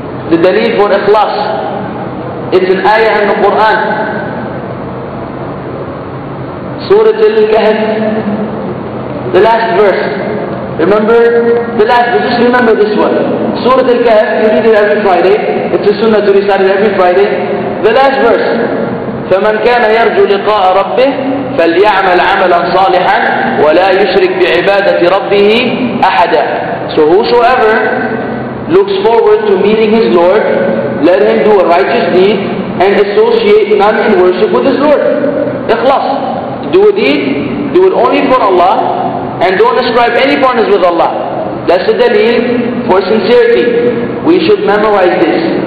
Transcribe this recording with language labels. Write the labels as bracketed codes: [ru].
[en] The dalil for ikhlas. It's an ayah in the Quran. Surah Al-Kahf. The last verse. Remember the last verse. Just remember this one. Surah Al-Kahf, you read it every Friday. It's a sunnah to recite it every Friday. The last verse. [ar] فمن كان يرجو لقاء ربه فليعمل عملا صالحا ولا يشرك بعبادة ربه أحدا. [en] So whosoever looks forward to meeting his Lord, let him do a righteous deed and associate none in worship with his Lord. [ar] إخلاص. [en] Do a deed, do it only for Allah, and don't ascribe any partners with Allah. That's the dalil for sincerity. We should memorize this.